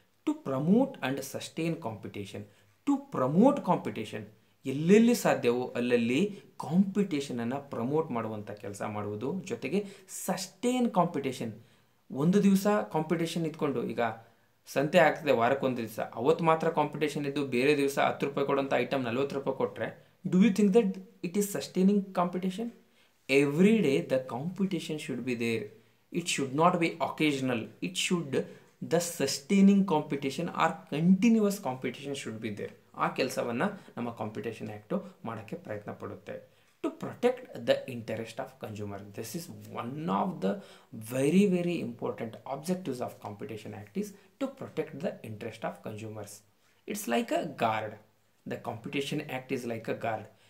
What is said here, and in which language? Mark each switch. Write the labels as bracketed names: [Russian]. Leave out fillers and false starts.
[English] to promote and sustain competition, to promote competition, [Kannada] ಎಲ್ಲೆಲ್ಲಿ ಸಾಧ್ಯವೋ ಅಲ್ಲಲ್ಲಿ ಕಾಂಪಿಟೇಷನನ್ನು ಪ್ರಮೋಟ್ ಮಾಡುವಂಥ ಕೆಲಸ ಮಾಡುವುದು, ಜೊತೆಗೆ ಸಸ್ಟೈನ್ ಕಾಂಪಿಟೇಷನ್. ಒಂದು ದಿವಸ ಕಾಂಪಿಟೇಷನ್ ಇದ್ಕೊಂಡು, ಈಗ ಸಂತೆ ಆಗ್ತದೆ ವಾರಕ್ಕೊಂದು ದಿವಸ, ಅವತ್ತು ಮಾತ್ರ ಕಾಂಪಿಟೇಷನ್ ಇದ್ದು ಬೇರೆ ದಿವಸ 10 ರೂಪಾಯಿ ಕೊಡೋಂಥ ಐಟಮ್ 40 ರೂಪಾಯಿ ಕೊಟ್ಟರೆ [English] Do you think that it is sustaining competition? Every day the competition should be there. It should not be occasional. It should, the sustaining competition or continuous competition should be there. [Kannada] ಆ ಕೆಲಸವನ್ನು ನಮ್ಮ competition act ಮಾಡೋಕ್ಕೆ ಪ್ರಯತ್ನ ಪಡುತ್ತೆ. [English] To protect the interest of consumer, this is one of the very very important objectives of competition act is to protect the interest of consumers. It's like a guard, the competition act is like a guard.